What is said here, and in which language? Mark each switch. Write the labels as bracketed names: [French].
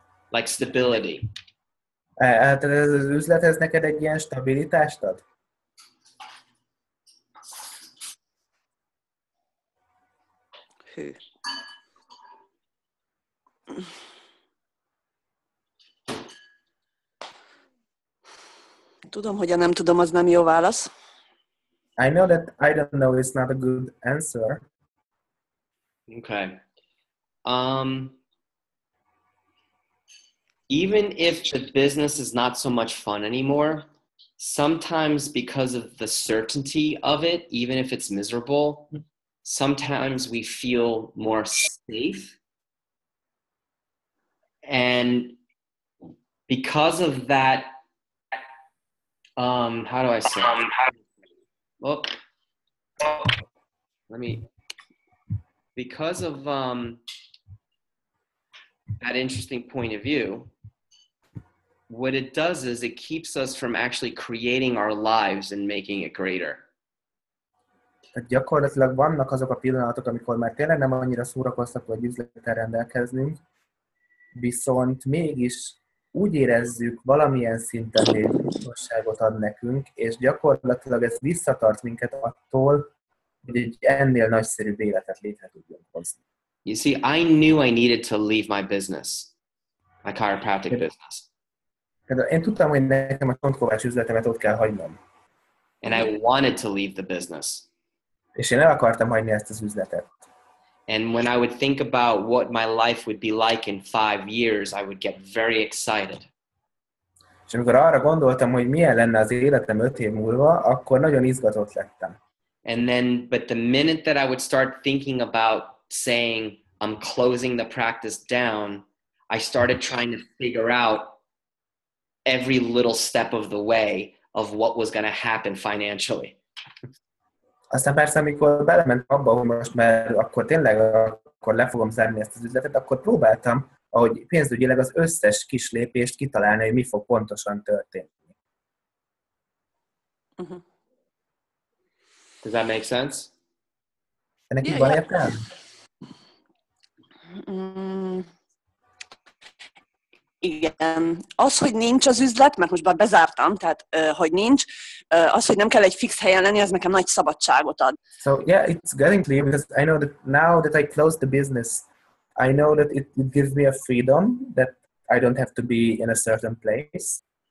[English] Like stability? [Hungarian] Tehát az üzlet ez neked egy ilyen stabilitást ad? Tudom, hogy a nem tudom, az nem jó válasz. [English] I know that I don't know is not a good answer. Okay. Even if the business is not so much fun anymore, sometimes because of the certainty of it, even if it's miserable, sometimes we feel more safe. And because of that, how do I say it? Because of that interesting point of view, what it does is it keeps us from actually creating our lives and making it greater. [Hungarian] Tehát gyakorlatilag vannak azok a pillanatok, amikor már tényleg nem annyira szórakoztató, hogy üzlettel rendelkeznünk, viszont mégis úgy érezzük, valamilyen szinten egy biztonságot ad nekünk, és gyakorlatilag ez visszatart minket attól, hogy egy ennél nagyszerűbb életet létre tudjunk hozni. [English] You see, I knew I needed to leave my business, my chiropractic business. [Hungarian] Én tudtam, hogy nekem a csontkovács üzletemet ott kell hagynom. [English] And I wanted to leave the business. [Hungarian] És én el akartam hagyni ezt az üzletet. [English] And when I would think about what my life would be like in 5 years, I would get very excited. [Hungarian] És amikor arra gondoltam, hogy milyen lenne az életem 5 év múlva, akkor nagyon izgatott lettem. [English] And then, but the minute that I would start thinking about saying, I'm closing the practice down, I started trying to figure out every little step of the way of what was going to happen financially. [Hungarian] Aztán persze, amikor belementem abba, hogy most már akkor tényleg akkor le fogom zárni ezt az üzletet, akkor próbáltam, ahogy pénzügyileg az összes kis lépést kitalálni, hogy mi fog pontosan történni. [English] Does that make sense? [Hungarian] Ennek így van értelme? Igen. Az, hogy nincs az üzlet, mert most már bezártam, tehát hogy nincs, az, hogy nem kell egy fix helyen lenni, az nekem nagy szabadságot ad. [English] So, yeah, it's getting clear, because I know that now that I closed the business, I know that it gives me a freedom, that I don't have to be in a certain place.